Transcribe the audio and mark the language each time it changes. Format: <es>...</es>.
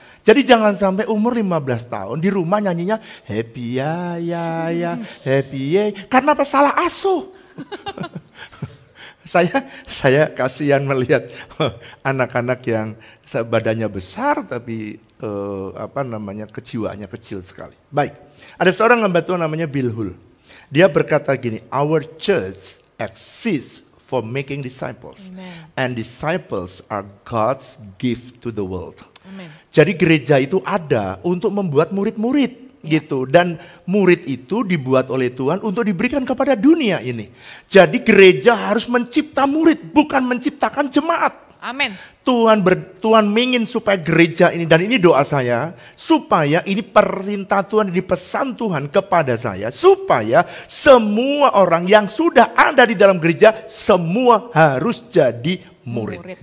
<id>Jadi jangan sampai umur 15 tahun di rumah nyanyinya happy ya ya ya happy ya karena apa, salah asuh. saya kasihan melihat anak-anak yang badannya besar tapi kejiwaannya kecil sekali. Baik. Ada seorang hamba Tuhan namanya Bill Hull. Dia berkata gini,</id> <en>"Our church exists for making disciples. Amen. And disciples are God's gift to the world." Amen.</en> <id>Jadi gereja itu ada untuk membuat murid-murid gitu. Dan murid itu dibuat oleh Tuhan untuk diberikan kepada dunia ini. Jadi gereja harus mencipta murid, bukan menciptakan jemaat. Amen. Tuhan ingin supaya gereja ini, dan ini doa saya, supaya ini perintah Tuhan, ini pesan Tuhan kepada saya, supaya semua orang yang sudah ada di dalam gereja, semua harus jadi murid.</id>